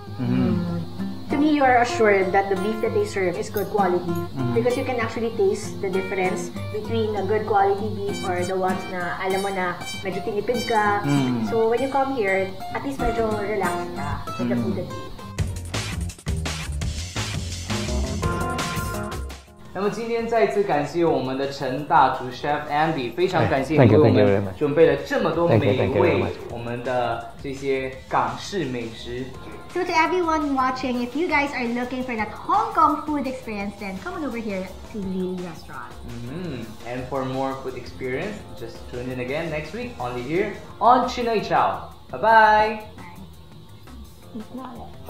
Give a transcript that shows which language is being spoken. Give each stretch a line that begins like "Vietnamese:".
English: To me, you are assured that the beef that they serve is good quality because you can actually taste the difference between a good quality beef or the ones
Filipino: na alam mo na medyo tinipid ka.
English: So when you come here, at least
Filipino: medyo relaxed ka
English: with the food that you eat.
Chinese: 那么今天再次感谢我们的陈大厨 Chef Andy， 非常感谢你为我们准备了这么多美味，我们的这些港式美食。
English: So to everyone watching, if you guys are looking for that Hong Kong food experience, then come on over here to Lily Restaurant. And for more food experience, just tune in again next week, only here on Chinoy Chow. Bye bye.